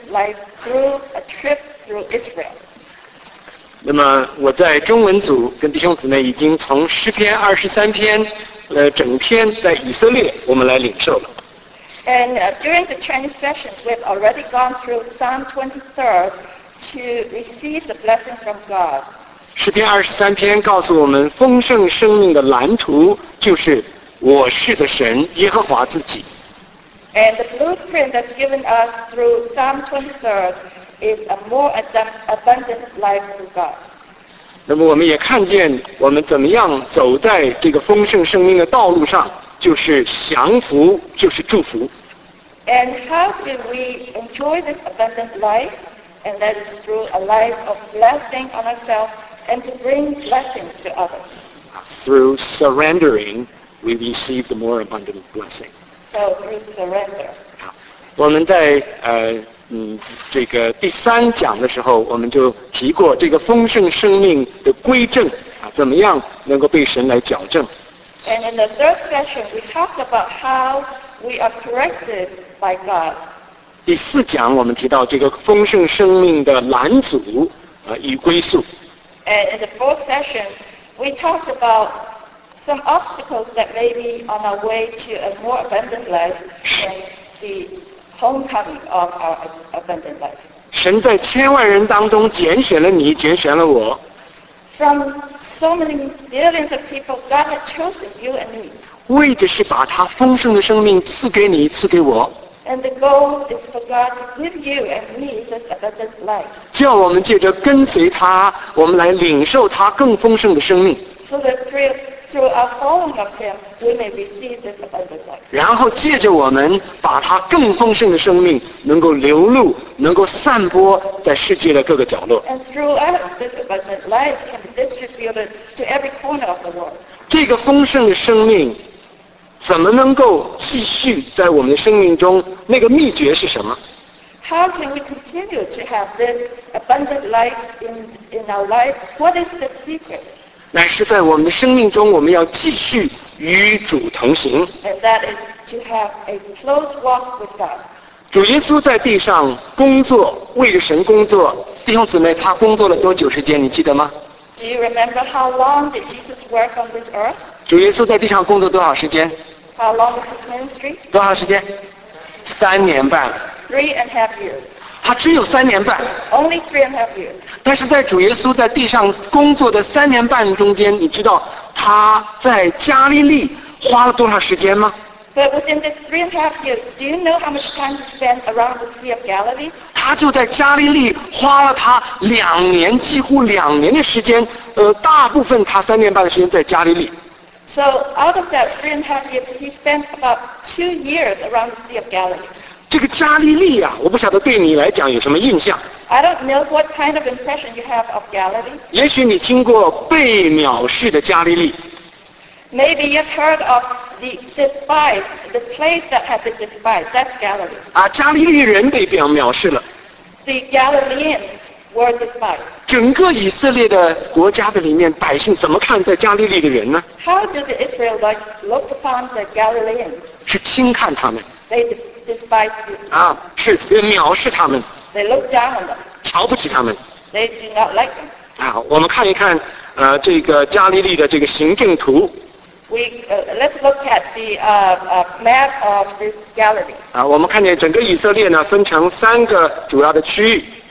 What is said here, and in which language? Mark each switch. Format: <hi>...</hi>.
<en>like through a trip through Israel.</en> <zh>那么我在中文组跟弟兄姊妹已经从诗篇二十三篇整篇在以色列我们来领受了。</zh> <en>And during the training sessions, we've already gone through Psalm 23 to receive the blessing from God.</en> <zh>诗篇二十三篇告诉我们丰盛生命的蓝图就是我是的神耶和华自己。</zh> <en>And the blueprint that's given us through Psalm 23 is a more abundant life through God.</en> <zh>那么我们也看见我们怎么样走在这个丰盛生命的道路上。就是降服，就是祝福。</zh> <en>And how do we enjoy this abundant life? And that is through a life of blessing on ourselves and to bring blessings to others. Through surrendering, we receive the more abundant blessing. So through surrender.</en> <zh>我们在这个第三讲的时候，我们就提过这个丰盛生命的归正啊，怎么样能够被神来矫正？</zh> <en>And in the third session, we talked about how we are corrected by God.</en> <zh>第四讲我们提到这个丰盛生命的拦阻与归宿。</zh> <en>And in the fourth session, we talked about some obstacles that may be on our way to a more abundant life than the homecoming of our abundant life.</en> <zh>神在千万人当中拣选了你，拣选了我。</zh> <en>From so many billions of people, God has chosen you and me.</en> <zh>为的是把他丰盛的生命赐给你，赐给我。</zh> <en>And the goal is for God to give you and me this abundant life.</en> <zh>叫我们借着跟随他，我们来领受他更丰盛的生命。</zh> <en>So that through our following of him, we may receive this abundant life.</en> <zh>然后借着我们把他更丰盛的生命能够流露，能够散播在世界的各个角落。</zh> <en>And through us, this abundant life can be distributed to every corner of the world.</en> <zh>这个丰盛的生命怎么能够继续在我们的生命中？那个秘诀是什么？</zh> <en>How can we continue to have this abundant life in our life? What is the secret?</en> <zh>乃是在我们的生命中我们要继续与主同行。</zh> <en>And that is to have a close walk with God.</en> <zh>主耶稣在地上工作，为着神工作。弟兄姊妹，他工作了多久时间，你记得吗？</zh> <en>Do you remember how long did Jesus work on this earth?</en> <zh>主耶稣在地上工作多少时间？</zh> <en>How long was his ministry?</en> <zh>多少时间？三年半。</zh> <en>Three and a half years.</en> <zh>他只有三年半。</zh> <en>Only three and a half years.</en> <zh>但是在主耶稣在地上工作的三年半中间，你知道他在加利利花了多少时间吗？</zh> <en>But within this three and a half years, do you know how much time he spent around the Sea of Galilee?</en> <zh>他就在加利利花了他两年，几乎两年的时间，大部分他三年半的时间在加利利。</zh> <en>So out of that three and a half years, he spent about 2 years around the Sea of Galilee.</en> <zh>这个加利利啊，我不晓得对你来讲有什么印象。</zh> <en>I don't know what kind of impression you have of Galilee.</en> <zh>也许你听过被藐视的加利利。</zh> <en>Maybe you've heard of the despised, the place that has been despised. That's Galilee.</en> <zh>啊，加利利人被藐视了。</zh> <en>The Galileans were despised.</en> <zh>整个以色列的国家的里面，百姓怎么看在加利利的人呢？</zh> <en>How do the Israelites look upon the Galileans?</en> <zh>是轻看他们。</zh> <en>They despised.</en> <zh>啊，是藐视他们。</zh> <en>They look down on them.</en> <zh>瞧不起他们。</zh> <en>They do not like them.</en> <zh>啊，我们看一看，这个加利利的这个行政图。</zh> <en>We let's look at the map of this Galilee.</en> <zh>啊，我们看见整个以色列呢，分成三个主要的区域。</zh>